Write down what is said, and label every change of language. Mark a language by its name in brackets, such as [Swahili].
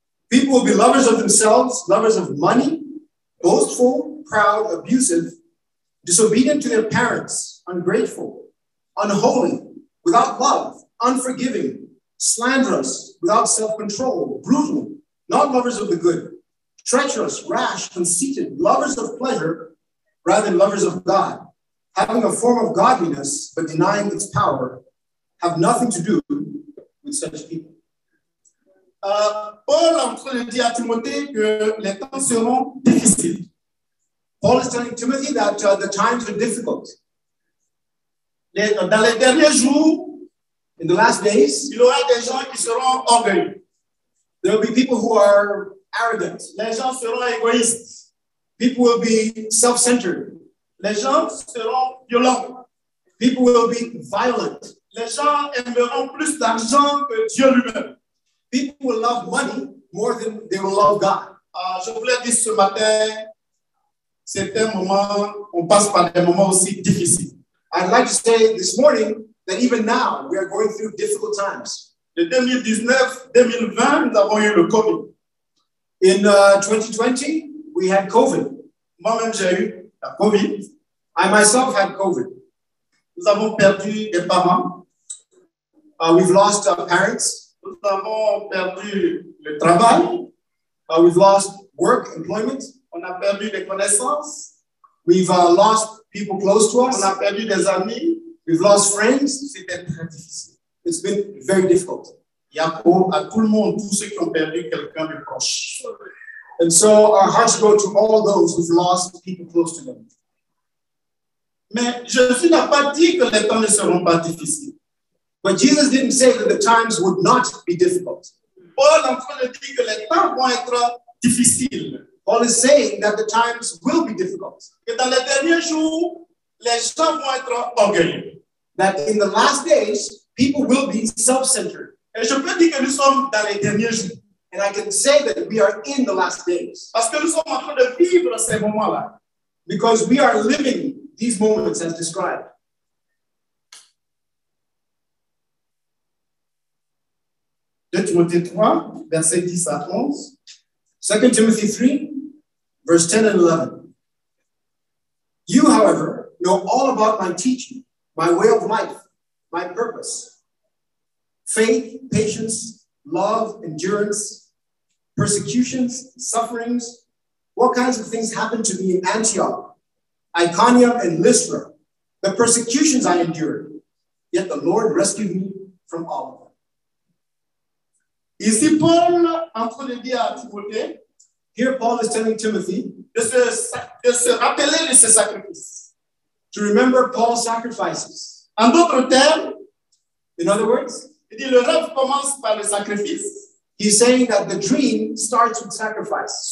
[English] People will be lovers of themselves, lovers of money, boastful, proud, abusive, disobedient to their parents, ungrateful, unholy, without love, unforgiving, slanderous, without self-control, brutal, not lovers of the good, treacherous, rash, conceited, lovers of pleasure, rather than lovers of God, having a form of godliness, but denying its power, have nothing to do with such people. [French] Paul est en train de dire à Timothée que les temps seront difficiles. [English] Paul is telling Timothy that the times are difficult. [French] Dans les derniers jours, [English] in the last days, [French] il y aura des gens qui seront orgueilleux. [English] There will be people who are arrogant. [French] Les gens seront égoïstes. [English] People will be self-centered. [French] Les gens seront violents. [English] People will be violent. [French] Les gens aimeront plus d'argent que Dieu lui-même. [English] People will love money more than they will love God. [French] Je voulais dire ce matin, c'est un moment, on passe par des moments aussi difficiles. [English] I'd like to say this morning that even now we are going through difficult times. [French] De 2019-2020, nous avons eu le COVID. [English] In 2020, we had COVID. [French] Moi-même, j'ai eu la COVID. [English] I myself had COVID. [French] Nous avons perdu des parents. [English] We've lost our parents. [French] Nous avons perdu le travail. [English] We've lost work, employment. [French] On a perdu des connaissances. [English] We've lost people close to us. [French] On a perdu des amis. [English] We've lost friends. [French] C'était très difficile. [English] It's been very difficult. [French] À tout le monde, tous ceux qui ont perdu quelqu'un de proche. [English] And so our hearts go to all those who've lost people close to them. [French] Mais Jésus n'a pas dit que les temps ne seront pas difficiles. [English] But Jesus didn't say that the times would not be difficult. [French] Paul en train de dire que les temps vont être difficiles. [English] Paul is saying that the times will be difficult. [French] Que dans les derniers jours, les gens vont être orgueilleux. [English] That in the last days, people will be self-centered. [French] Et je peux dire que nous sommes dans les derniers jours. [English] And I can say that we are in the last days. [French] Parce que nous sommes en train de vivre ces moments-là. [English] Because we are living these moments as described. [French] Timothée 3, verset 10 à 11. [English] 2 Timothy 3, verse 10 and 11. You, however, know all about my teaching, my way of life, my purpose. Faith, patience, love, endurance, persecutions, sufferings. What kinds of things happened to me in Antioch, Iconium, and Lystra? The persecutions I endured, yet the Lord rescued me from all of them. [French] Ici Paul en train de dire à Timothée. [English] Here Paul is telling Timothy [French] de se rappeler de ses sacrifices. [English] To remember Paul's sacrifices. [French] En d'autres termes, [English] in other words, [French] il dit le rêve commence par le sacrifice. [English] He's saying that the dream starts with sacrifice.